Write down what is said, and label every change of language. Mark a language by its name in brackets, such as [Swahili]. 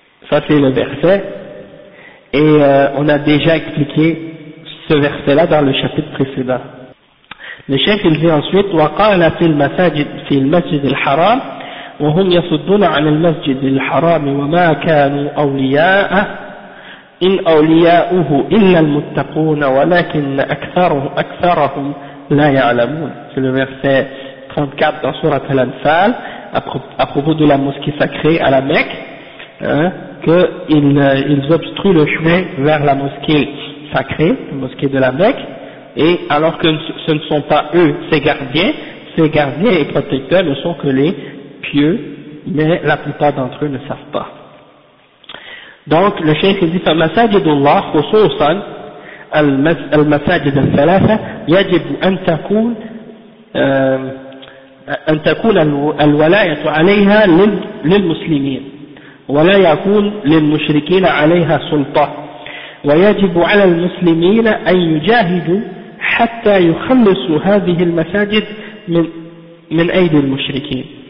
[French] Ça c'est le verset. Et on a déjà expliqué ce verset-là dans le chapitre précédent. Le chef il dit ensuite, [Arabic] wa qala fi al-masjid al-haram, وهم يصدون عن المسجد الحرام وما كانوا أولياءه إن أولياؤه إلا المتقون ولكن أكثرهم لا يعلمون. في ال [French] verset 34 dans sourate Al-Anfal, à propos de la mosquée sacrée à la Mecque, qu'ils obstruent le chemin vers la mosquée sacrée, la mosquée de la Mecque, et alors que ce ne sont pas eux ses gardiens et protecteurs ne sont que les pieux, mais la plupart d'entre eux ne savent pas. Donc le cheikh dit [Arabic] فمساجد الله خصوصا المساجد الثلاثة يجب أن تكون الولاية عليها للمسلمين ولا يكون للمشركين عليها سلطة ويجب على المسلمين أن يجاهدوا حتى يخلصوا هذه المساجد من أيدي المشركين.